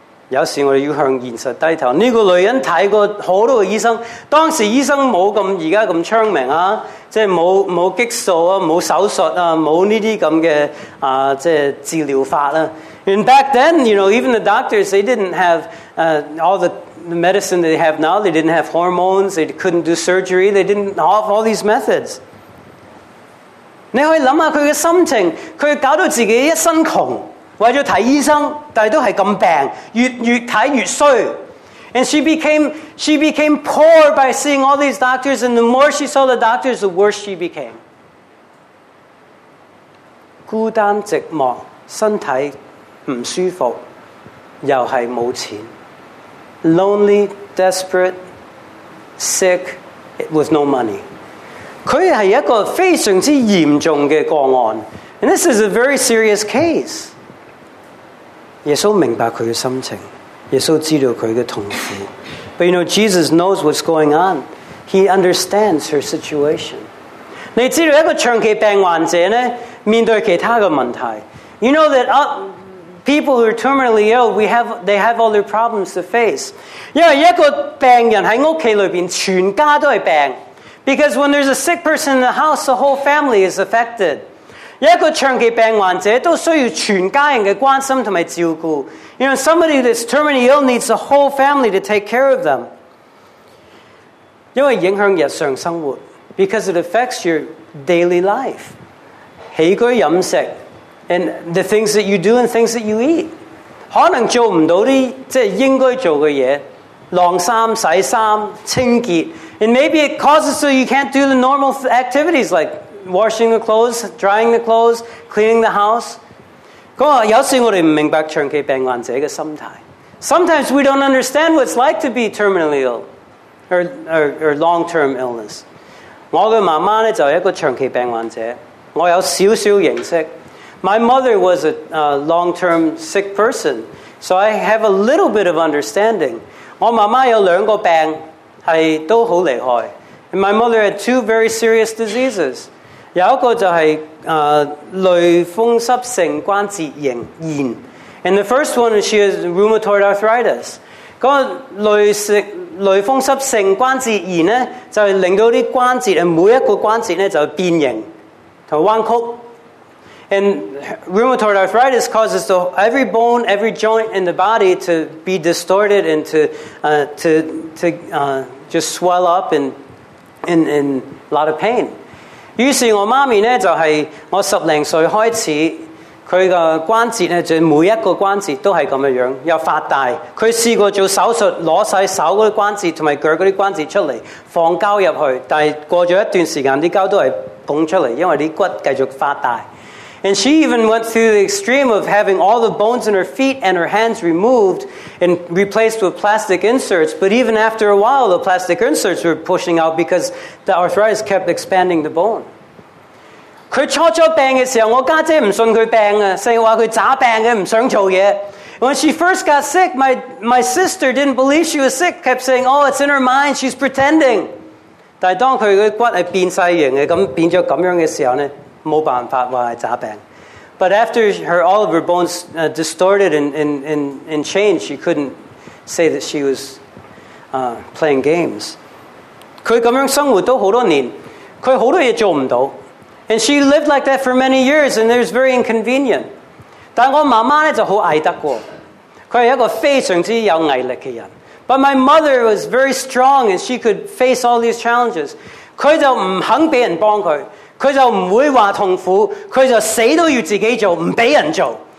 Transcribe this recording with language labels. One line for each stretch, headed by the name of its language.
Cantonese: 有时我哋要向现实低头。这个女人睇过好多个医生，当时医生冇咁而家咁昌明啊，即系冇激素啊，冇手术啊，冇呢啲咁嘅即系治疗法啦。
English: And back then, you know, even the doctors, they didn't have all the medicine that they have now. They didn't have hormones. They couldn't do surgery. They didn't have all these methods.
Cantonese: 你可以谂下佢嘅心情，佢搞到自己一身穷。为了看医生，但系都系咁病，越看越衰。
English: And she became poor by seeing all these doctors. And the more she saw the doctors, the worse she became.
Cantonese: 孤单寂寞，身体唔舒服，又系冇钱。
English: Lonely, desperate, sick, with no money.
Cantonese: 佢系一个非常之严重嘅个案。
English: And this is a very serious case.
Cantonese: 耶稣明白佢嘅心情，耶稣知道佢嘅痛苦。
English: But you know, Jesus knows what's going on. He understands her situation.
Cantonese: 你知道一个长期病患者呢，面对其他嘅问题。
English: You know that people who are terminally ill, they have all their problems to face.
Cantonese: 因为一个病人喺屋企里边，全家都系病。
English: Because when there's a sick person in the house, the whole family is affected.
Cantonese: 一个长期病患者都需要全家人的关心和照顾。
English: You know, somebody that's terminally ill needs the whole family to take care of them.
Cantonese: 因为影响日常生活
English: because it affects your daily life.
Cantonese: 起居饮食
English: and the things that you do and things that you eat.
Cantonese: 可能做不到的即是应该做的事晾衫、洗衫、清洁
English: and maybe it causes so you can't do the normal activities likewashing the clothes, drying the clothes, cleaning the house.
Cantonese: 有时我们不明白长期病患者的心态。
English: Sometimes we don't understand what it's like to be terminally ill or long-term illness.
Cantonese: 我的妈妈就是一个长期病患者。我有少少认识。
English: My mother was a long-term sick person, so I have a little bit of understanding.
Cantonese: 我妈妈有两个病是都很厉害。
English: And my mother had two very serious diseases.
Cantonese: 有一个就是类风湿性关节炎
English: And the first one is she has rheumatoid arthritis.
Cantonese: 那个类风湿性关节炎呢就是令到啲关节每一个关节呢就变形和弯曲。
English: And rheumatoid arthritis causes every bone, every joint in the body to be distorted and to just swell up and a lot of pain.
Cantonese: 於是我媽咪呢就是我十零歲開始她的關節呢就每一個關節都是這樣又發大她試過做手術拿曬手的關節和腳的關節出來放膠進去但是過了一段時間膠都是捧出來因為骨繼續發大
English: And she even went through the extreme of having all the bones in her feet and her hands removed and replaced with plastic inserts but even after a while the plastic inserts were pushing out becauseThe arthritis kept expanding the bone.
Cantonese: 佢初初病嘅时候，我家姐唔信佢病啊，成日话佢渣病嘅，唔想做嘢。
English: When she first got sick, my sister didn't believe she was sick, kept saying, "Oh, it's in her mind. She's pretending."
Cantonese: 但系当佢嘅骨系变晒形嘅，咁变咗咁样嘅时候咧，冇办法话系渣病。
English: But after all of her bones distorted and changed, she couldn't say that she was playing games.
Cantonese: 佢咁样生活都好多年，佢好多嘢做唔到
English: ，and she lived like that for many years, and it was very inconvenient.
Cantonese: 但我妈妈咧就好捱得过，佢系一个非常之有毅力嘅人。
English: But my mother was very strong and she could face all these challenges.
Cantonese: 她就不肯给人帮她，她就不会说痛苦，她就死都要自己做，不给人做。